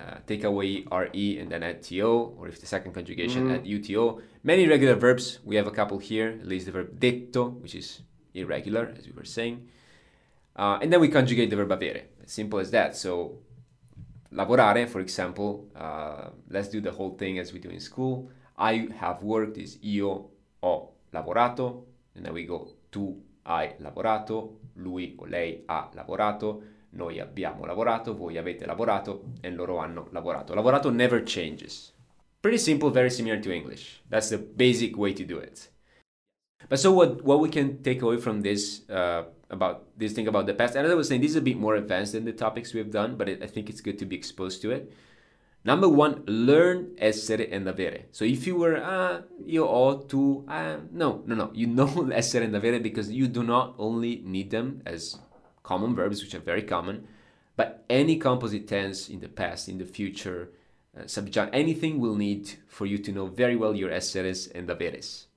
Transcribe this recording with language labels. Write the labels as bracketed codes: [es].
[en] Take away RE and then add TO, or if the second conjugation, add UTO. Many regular verbs, we have a couple here, at least the verb detto, which is irregular, as we were saying. And then we conjugate the verb avere, as simple as that. So, [it] lavorare, [en] for example, let's do the whole thing as we do in school. I have worked is [it] io ho lavorato, [en] and then we go [it] tu hai lavorato, lui o lei ha lavorato. Noi abbiamo lavorato, voi avete lavorato, e loro hanno lavorato. [en] Lavorato never changes. Pretty simple, very similar to English. That's the basic way to do it. But so what we can take away from this about this thing about the past, and as I was saying, this is a bit more advanced than the topics we have done, but I think it's good to be exposed to it. Number one, learn essere and avere. So if you were [it] io ho tu no, [en] you know essere and avere because you do not only need them as common verbs, which are very common, but any composite tense in the past, in the future, subjunct, anything will need for you to know very well your esseres and haveres.